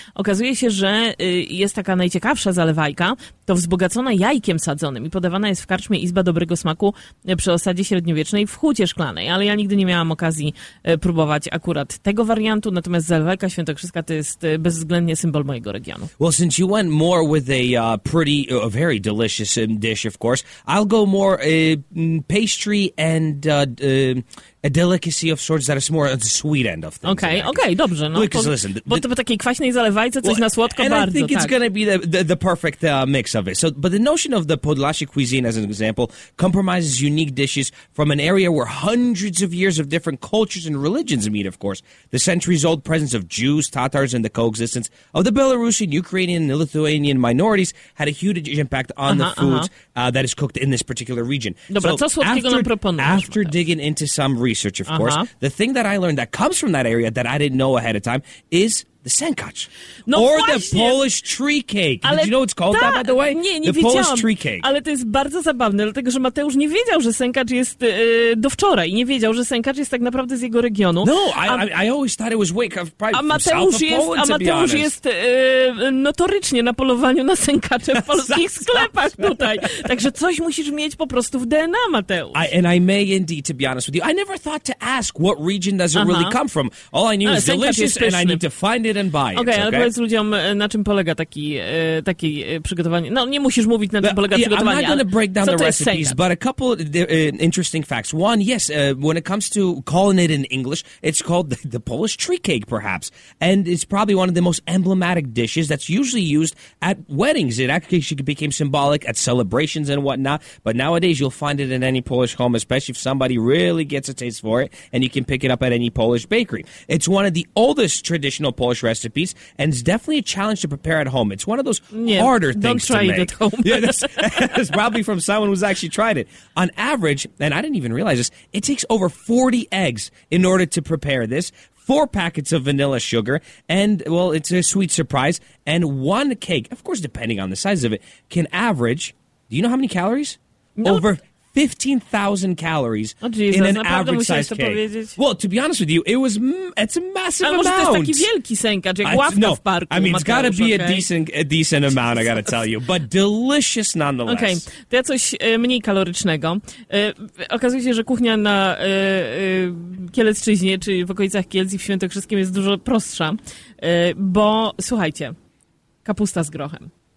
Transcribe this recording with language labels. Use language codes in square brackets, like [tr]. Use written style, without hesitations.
[pl] Okazuje się, że jest taka najciekawsza zalewajka, to wzbogacona jajkiem sadzonym i podawana jest w karczmie Izba Dobrego Smaku przy osadzie średniowiecznej w Hucie Szklanej. Ale ja nigdy nie miałam okazji próbować akurat tego wariantu, natomiast zalewajka świętokrzyska to jest bezwzględnie symbol mojego regionu. [en] Well, since you went more with a pretty, a very delicious dish, of course, I'll go more pastry and a delicacy of sorts that is more on the sweet end of things. [pl] Okay, okay, dobrze. No, [en] because listen, [pl] bo takiej kwaśnej zalewajce coś na słodko bardzo, tak. [en] I think it's [pl] tak. [en] going to be the perfect mix of it. So, but the notion of the Podlasie cuisine, as an example, compromises unique dishes from an area where hundreds of years of different cultures and religions meet, of course. The centuries-old presence of Jews, Tatars, and the coexistence of the Belarusian, Ukrainian, and Lithuanian minorities had a huge impact on the foods that is cooked in this particular region. [pl] Dobra, so, co słodkiego nam proponujesz? [en] After digging into some research, of course. The thing that I learned that comes from that area that I didn't know ahead of time is the sękacz. [pl] No [en] or [pl] właśnie. [en] The Polish tree cake. [pl] Ale [en] did you know it's called that, by the way? [pl] Nie, [en] the Polish tree cake. [pl] Ale to jest bardzo zabawne, dlatego że Mateusz nie wiedział, że sękacz jest do wczoraj. Nie wiedział, że sękacz jest tak naprawdę z jego regionu. [en] No, I always thought it was way from south of Poland, [pl] A Mateusz jest notorycznie na polowaniu na sękacze w polskich sklepach tutaj. Także coś musisz mieć po prostu w DNA, Mateusz. [en] I may indeed, to be honest with you, I never thought to ask what region does it really come from. All I knew is delicious and I need to find it and buy it. [pl] Okay, ale powiedz ludziom, na czym polega taki przygotowanie. No, nie musisz mówić, na czym polega przygotowanie. [en] I'm not going to break down the recipes, but a couple interesting facts. One, yes, when it comes to calling it in English, it's called the Polish tree cake, perhaps. And it's probably one of the most emblematic dishes that's usually used at weddings. It actually became symbolic at celebrations and whatnot, but nowadays you'll find it in any Polish home, especially if somebody really gets a taste for it, and you can pick it up at any Polish bakery. It's one of the oldest traditional Polish recipes, and it's definitely a challenge to prepare at home. It's one of those harder things to make. Don't try it at home. Yeah, that's probably from someone who's actually tried it. On average, and I didn't even realize this, it takes over 40 eggs in order to prepare this, 4 packets of vanilla sugar, and, well, it's a sweet surprise, and 1 cake, of course, depending on the size of it, can average, do you know how many calories? No. Over 15,000 calories in an average-sized cake. [pl] Powiedzieć. [en] Well, to be honest with you, it's a massive amount. [pl] A może to jest taki wielki sękacz, jak ławka no, w parku. [en] I mean, it's got to be a decent amount, I got to tell you. But delicious nonetheless. [pl] Okej, okay. To ja coś mniej kalorycznego. Okazuje się, że kuchnia na Kielecczyźnie, czy w okolicach Kielc i w Świętokrzyskim jest dużo prostsza. Bo, słuchajcie, kapusta z grochem.